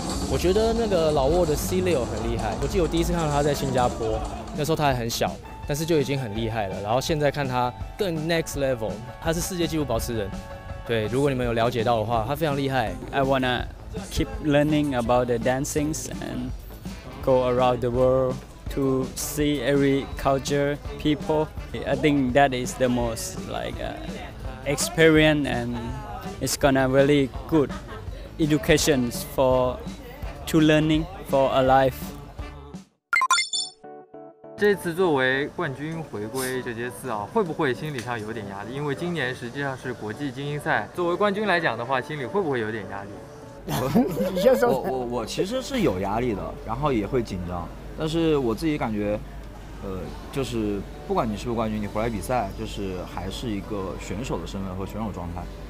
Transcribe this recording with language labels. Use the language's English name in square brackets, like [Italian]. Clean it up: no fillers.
[Chinese] 我觉得那个老挝的 C-Liu 很厉害，我记得我第一次看到他在新加坡，那时候他还很小。但是就已经很厉害了，然后现在看他更 next level，他是世界纪录保持人。对，如果你们有了解到的话，他非常厉害。 [English] I wanna keep learning about the dancing and go around the world to see every culture people. I think that is the most like experience and it's gonna really good education for to learning for a life. [Chinese] 这次作为冠军回归街舞4啊，会不会心理上有点压力？因为今年实际上是国际精英赛，作为冠军来讲的话，心里会不会有点压力？我其实是有压力的，然后也会紧张，但是我自己感觉，就是不管你是不是冠军，你回来比赛，就是还是一个选手的身份和选手状态。